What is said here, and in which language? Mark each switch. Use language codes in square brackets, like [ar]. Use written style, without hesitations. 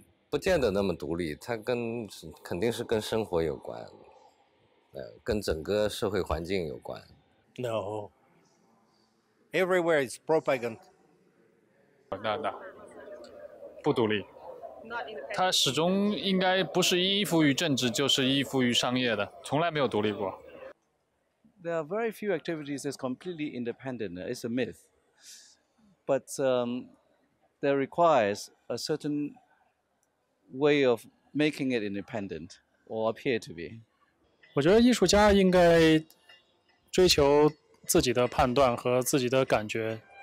[zh] 不见得那么独立，它跟肯定是跟生活有关，跟整个社会环境有关。 [en] No. Everywhere is propaganda. No. [zh] 不独立。它始终应该不是依附于政治，就是依附于商业的，从来没有独立过。 [en] There are very few activities that's completely independent. It's a myth, but that requires a certain way of making it independent or appear to be. [zh] 我觉得艺术家应该追求自己的判断和自己的感觉。